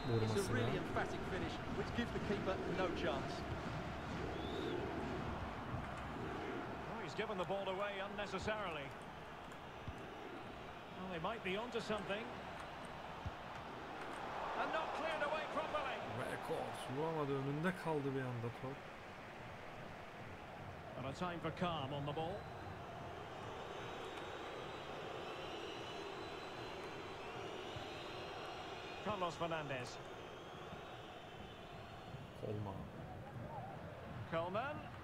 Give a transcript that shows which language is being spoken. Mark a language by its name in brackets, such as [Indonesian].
[English] It's a really emphatic finish, which gives the keeper no chance. Oh, he's given the ball away unnecessarily. Well, they might be onto something. And not cleared away properly. [Turkish] Rekord. Vuramadı, önünde kaldı bir anda top. [English] And a time for calm on the ball. Carlos Fernandez. Coleman.